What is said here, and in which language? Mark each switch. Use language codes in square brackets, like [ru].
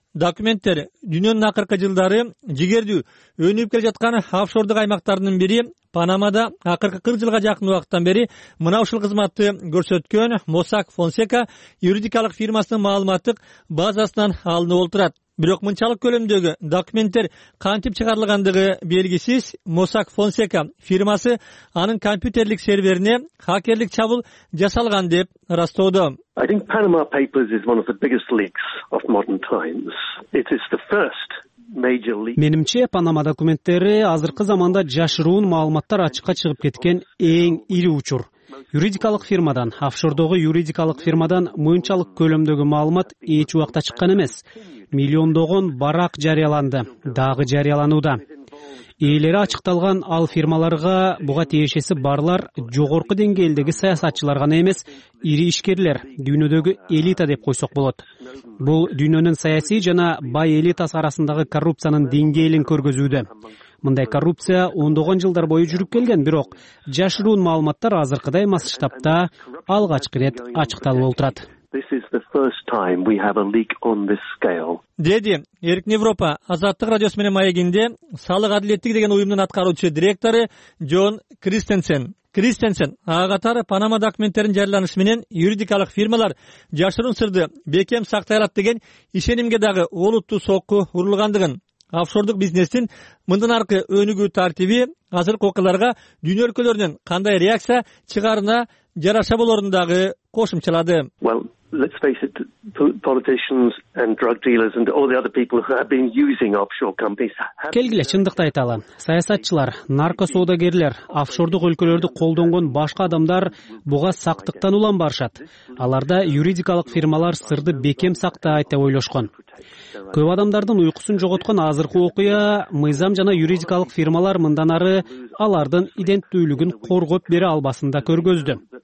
[ky] Документтер дүйнөнүн акыркы жылдары жигердүү өнүп келе жаткан офшордук аймактарынын бири Панамада акыркы 40 жылга жакын убакыттан бери мына ушул кызматты көрсөткөн Mossack Fonseca юридикалык фирмасынын маалыматтык базасынан алынып отурат. Бирок мынчалык көлөмдөгү документтер кантип чыгарылгандыгы белгисиз. Mossack Fonseca фирмасы анын компьютерлик серверине хакерлик чабуул жасалган деп ырастоодо. [en] I think Panama Papers is one of the biggest leaks of modern times. It is the first major leak. [ky] Менимче, Панама документтери азыркы заманда жашыруун маалыматтар ачыкка чыгып кеткен эң ири учур. Юридикалык фирмадан, офшордогу юридикалык фирмадан мынчалык көлөмдөгү маалымат эч убакта чыккан эмес. Миллиондогон барак жарыяланды, дагы жарыялануда. Ээлери ачыкталган ал фирмаларга буга тиешеси барлар жогорку деңгээлдеги саясатчылар гана эмес, ири ишкерлер, дүйнөдөгү элита деп койсок болот. Бул дүйнөнүн саясий жана бай элитасы арасындагы коррупциянын деңгээлин көргөзүүдө. Мындай коррупция ондогон жылдар бою жүрүп келген, бирок жашыруун маалыматтар азыркыдай масштабта алгачкы ирет ачыкталып отурат. [en] This is the first time we have a leak on this scale. [ky] Деди Эркин Европа Азаттык радиосу менен маегинде салык адилеттиги деген уюмдун аткаруучу директору Джон Кристенсен. Кристенсен ага катары Панама документтеринин жарыяланышы менен юридикалык фирмалар жашыруун сырды бекем сактайрат деген ишенимге дагы олуттуу сокку урулгандыгын, офшордук бизнестин мындан аркы өнүгүү тартиби азыркы окуяларга дүйнө өлкөлөрүнөн кандай реакция чыгарына жараша болорун дагы кошумчалады. [en] Well, let's face it, politicians and drug dealers and all the other people who have been using offshore companies. [ky] Келгиле чындыкты айталы. Саясатчылар, наркосоодагерлер, офшордук өлкөлөрдү колдонгон башка адамдар буга сактыктан улам барышат. Аларда юридикалык фирмалар сырды бекем сактайт деп ойлошкон. Көп адамдардын уйкусун жоготкон азыркы окуя мыйзам жана юридикалык фирмалар мындан ары алардын иденттүүлүгүн коргоп бере албасында көргөздү.